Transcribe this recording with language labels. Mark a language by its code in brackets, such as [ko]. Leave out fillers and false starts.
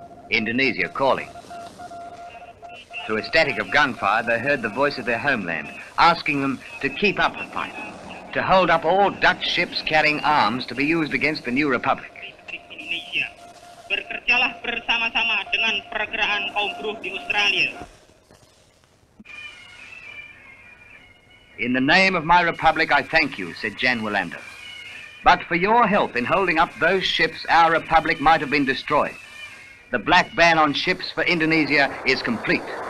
[en] Indonesia calling. Through a static of gunfire, they heard the voice of their homeland, asking them to keep up the fight, to hold up all Dutch ships carrying arms to be used against the new republic. [id] Indonesia, bekerjalah bersama-sama dengan pergerakan kaum buruh di Australia. [en] In the name of my republic, I thank you, said Jan Willander. But for your help in holding up those ships, our republic might have been destroyed. The black ban on ships for Indonesia is complete.